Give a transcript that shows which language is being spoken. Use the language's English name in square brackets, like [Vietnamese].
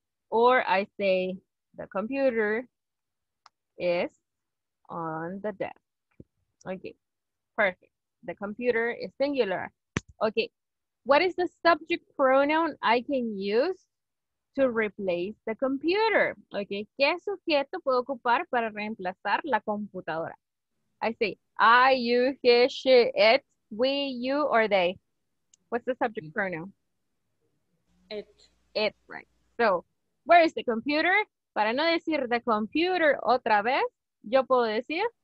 [English] Or I say, the computer is on the desk. Okay, perfect. The computer is singular. Okay, what is the subject pronoun I can use to replace the computer? [Spanish] Okay, ¿qué sujeto puedo ocupar para reemplazar la computadora? [English] I say, I, you, he, she, it, we, you, or they. What's the subject pronoun? It. It, right. So, where is the computer? [Spanish] Para no decir [English] the computer [Spanish] otra vez, yo puedo decir?